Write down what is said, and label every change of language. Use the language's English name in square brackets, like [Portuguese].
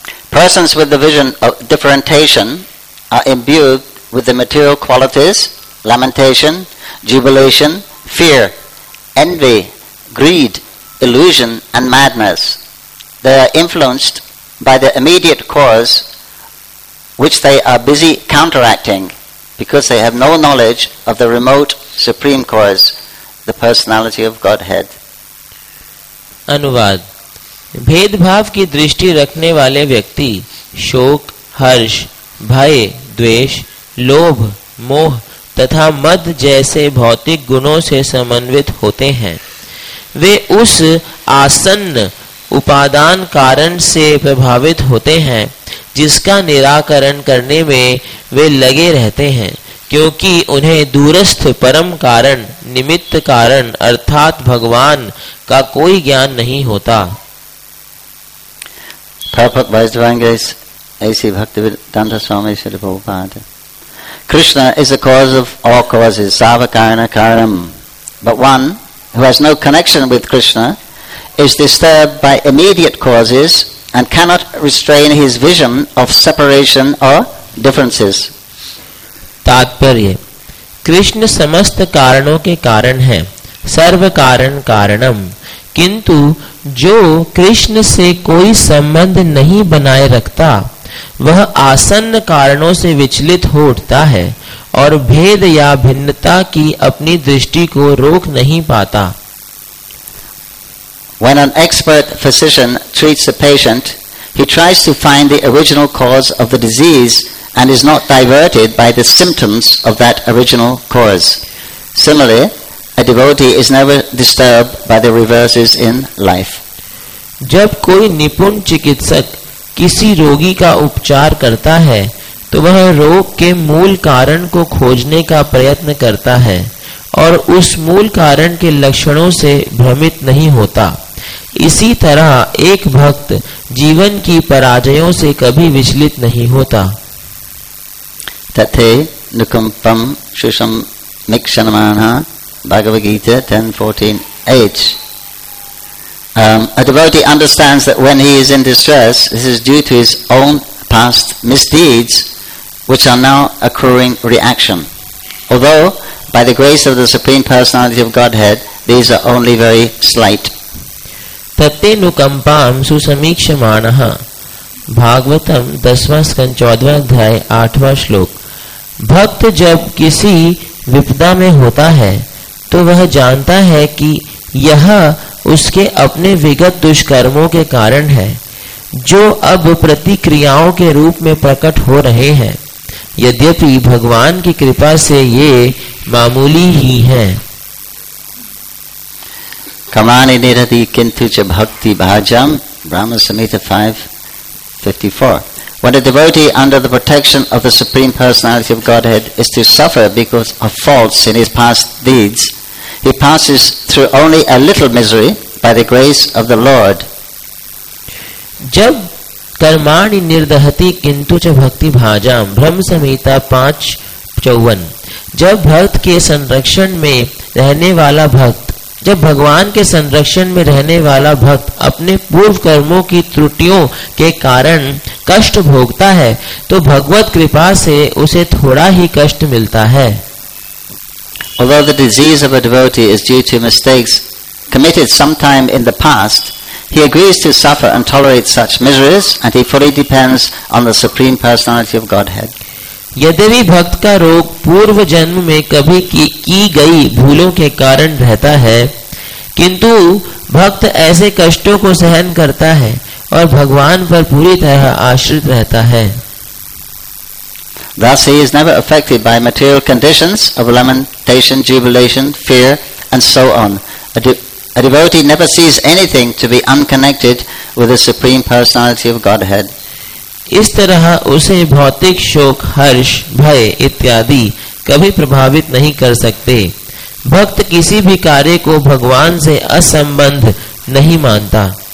[English] Persons with the vision of differentiation are imbued with the material qualities, lamentation, jubilation, fear, envy, greed, illusion, and madness. They are influenced by the immediate cause which they are busy counteracting because they have no knowledge of the remote supreme cause, the personality of Godhead. [Hindi] Anuvad. भेदभाव की दृष्टि रखने वाले व्यक्ति शोक, हर्ष, भय, द्वेष, लोभ, मोह तथा मद जैसे भौतिक गुणों से समन्वित होते हैं। वे उस आसन्न उपादान कारण से प्रभावित होते हैं जिसका निराकरण करने में वे लगे रहते हैं, क्योंकि उन्हें दूरस्थ परम कारण, निमित्त कारण अर्थात भगवान का कोई ज्ञान नहीं होता। [English] Prabhupada by his divine grace, A.C. Bhaktivedanta Swami Srila Prabhupada. Krishna is the cause of all causes, Sarvakarana Karanam. But one who has no connection with Krishna is disturbed by immediate causes and cannot restrain his vision of separation or differences. [Hindi] Tatparya. Krishna samasta karano ke karan hai, Sarvakaran Karanam. किंतु जो कृष्ण से कोई संबंध नहीं बनाए रखता वह आसन्न कारणों से विचलित हो उठता है और भेद या भिन्नता की अपनी दृष्टि को रोक नहीं पाता। [English] When an expert physician treats a patient, he tries to find the original cause of the disease and is not diverted by the symptoms of that original cause. Similarly, a devotee is never disturbed by the reverses in life. [Hindi] जब कोई निपुण चिकित्सक किसी रोगी का उपचार करता है, तो वह रोग के मूल कारण को खोजने का प्रयत्न करता है और उस मूल कारण के लक्षणों से भ्रमित नहीं होता। इसी तरह एक भक्त जीवन की पराजयों से कभी विचलित नहीं होता। [Sanskrit] तथे नुकंपम शुषम निक्षणमाना Bhagavad Gita 10.14.8. [English] A devotee understands that when he is in distress, this is due to his own past misdeeds, which are now accruing reaction. Although, by the grace of the Supreme Personality of Godhead, these are only very slight. [Sanskrit] Tate nukampam susamikshamanaha Bhagavatam 10.14.8. [Hindi] Bhakt jab kisi vipda mein hota hai, तो वह जानता है कि यह उसके अपने विगत दुष्कर्मों के कारण है जो अब प्रतिक्रियाओं के रूप में प्रकट हो रहे हैं, यद्यपि भगवान की कृपा से ये मामूली ही हैं। [Sanskrit] कमाने निरति किंतु च भक्ति भाजम ब्राह्मण समेत 5:54. [English] When a devotee under the protection of the Supreme Personality of Godhead is to suffer because of faults in his past deeds, he passes through only a little misery by the grace of the Lord. [Hindi] जब [Sanskrit] कर्माणि निर्दहति किंतु च भक्ति भाजाम ब्रह्म संहिता 5:54। [Hindi] जब भक्त के संरक्षण में रहने वाला भक्त जब भगवान के संरक्षण में रहने वाला भक्त अपने पूर्व कर्मों की त्रुटियों के कारण कष्ट भोगता है तो भगवत कृपा से उसे थोड़ा ही कष्ट मिलता है। [English] Although the disease of a devotee is due to mistakes committed sometime in the past, he agrees to suffer and tolerate such miseries, and he fully depends on the Supreme Personality of Godhead. [Hindi] यद्यपि भक्त का रोग पूर्व जन्म में कभी की गई भूलों के कारण रहता है, किंतु भक्त ऐसे कष्टों को सहन करता है और भगवान पर पूरी तरह आश्रित रहता है। [English] Thus, he is never affected by material conditions of lamentation, jubilation, fear, and so on. A devotee never sees anything to be unconnected with the Supreme Personality of Godhead. [Hindi] इस तरह उसे भौतिक शोक, हर्ष, भय इत्यादि कभी प्रभावित नहीं कर सकते। भक्त किसी भी कार्य को भगवान से असंबंध नहीं मानता।